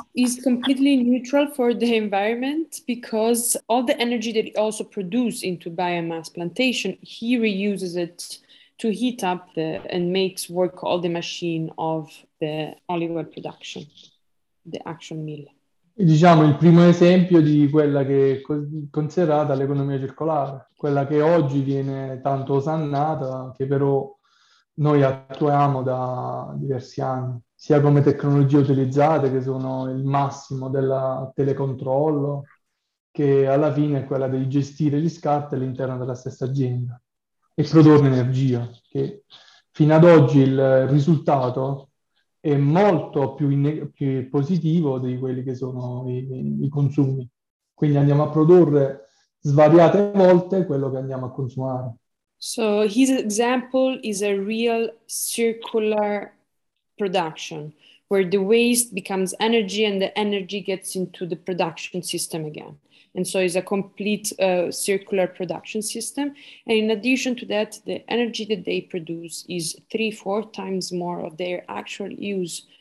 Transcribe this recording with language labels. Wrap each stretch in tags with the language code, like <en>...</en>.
<en>It's completely neutral for the environment because all the energy that it also produces into biomass plantation, he reuses it to heat up and makes work all the machine of the olive oil production, the actual mill.</en> <it>Diciamo il primo esempio di quella che è considerata l'economia circolare, quella che oggi viene tanto osannata, che però noi attuiamo da diversi anni, sia come tecnologie utilizzate, che sono il massimo del telecontrollo, che alla fine è quella di gestire gli scarti all'interno della stessa azienda e produrre energia, che fino ad oggi il risultato è molto più positivo di quelli che sono i consumi. Quindi andiamo a produrre svariate volte quello che andiamo a consumare.</it> <en>So his example is a real circular production where the waste becomes energy and the energy gets into the production system again. And so it's a complete circular production system. And in addition to that, the energy that they produce is 3-4 times more of their actual use.</en>